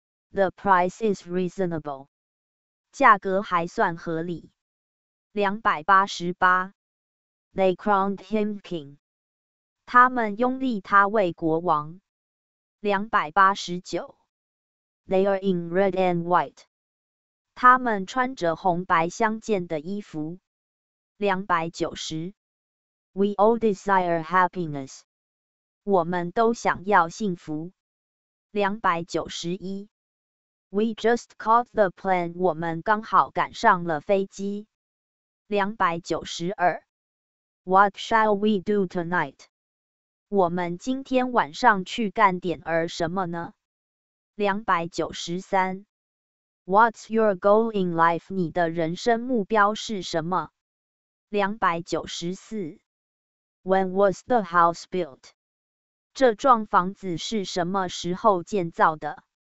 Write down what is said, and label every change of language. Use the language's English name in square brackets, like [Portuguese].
[English] The price is reasonable. [Chinese] 价格还算合理。288. [English] They crowned him king. [Chinese] 他们拥立他为国王。289. [English] They are in red and white. [Chinese] 他们穿着红白相间的衣服。 290. [English] We all desire happiness. [Chinese] 我们都想要幸福。291. [English] We just caught the plane. [Chinese] 我们刚好赶上了飞机。292. [English] What shall we do tonight? [Chinese] 我们今天晚上去干点儿什么呢？ 293. [English] What's your goal in life? [Chinese] 你的人生目标是什么？294. [English] When was the house built? [Chinese] 这幢房子是什么时候建造的？